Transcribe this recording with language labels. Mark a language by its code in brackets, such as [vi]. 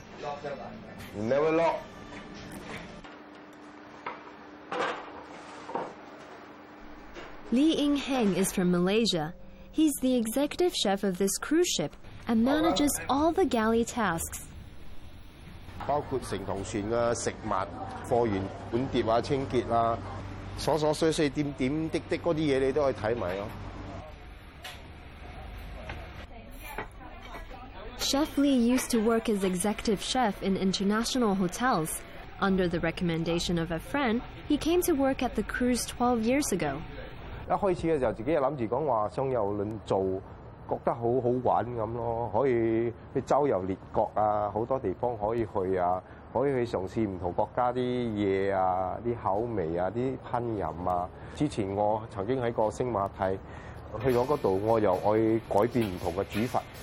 [en] Lock, sir. You never lock. Lee Ing Heng is from Malaysia. He's the executive chef of this cruise ship and manages all the galley tasks. [yue] 包括乘同船嘅食物、貨源、碗碟啊、清潔啊。琐琐碎碎点点滴滴嗰啲嘢，你都可以睇埋咯。 [en] Chef Lee used to work as executive chef in international hotels. Under the recommendation of a friend, he came to work at the cruise 12 years ago. [yue] 一开始嘅时候，自己又谂住讲话双游轮做，觉得好好玩咁咯，可以去周游列国啊，好多地方可以去啊。可以去嘗試唔同國家啲嘢啊，啲口味啊，啲烹飪啊。之前我曾經喺個星馬泰去咗嗰度，我又愛改變唔同嘅煮法。